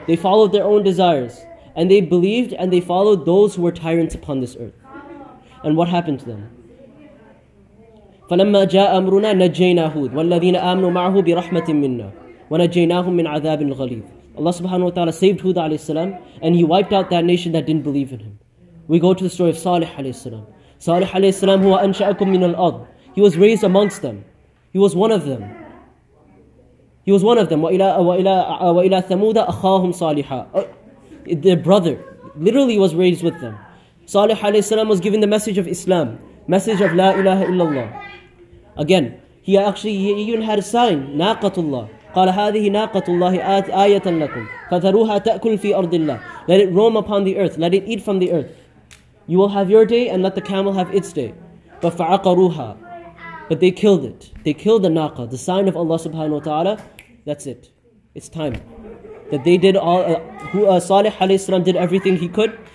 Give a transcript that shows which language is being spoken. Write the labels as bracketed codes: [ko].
[en] They followed their own desires. And they believed and they followed those who were tyrants upon this earth. And what happened to them? [ar] فَلَمَّا جَاءَ أَمْرُنَا نَجَّيْنَا هُودْ وَالَّذِينَ آمَنُوا مَعَهُ بِرَحْمَةٍ مِنَّا وَنَجَّيْنَاهُمْ مِنْ عَذَابٍ غَلِيظٍ. [en] Allah subhanahu wa ta'ala saved Hud alayhi salam, and he wiped out that nation that didn't believe in him. We go to the story of Salih alayhi salam. [ar] Salih alayhi salam, هو أنشأكم من الأرض. [en] He was raised amongst them. He was one of them. He was one of them. [ar] وَإِلَىٰ ثَمُودَ أَخَاهُمْ صَالِحًا. [en] Their brother literally was raised with them. Salih alayhi salam was given the message of Islam. Message of La ilaha illallah. Again, he even had a sign. [ar] ناقة الله. قال هذه ناقة الله آية لكم فذروها تأكل في أرض الله. [en] Let it roam upon the earth. Let it eat from the earth. You will have your day and let the camel have its day. [ar] فعقروها. [en] But they killed it. They killed the naqa, the sign of Allah subhanahu wa ta'ala. That's it. It's time. That they did all, Salih alayhi salam did everything he could.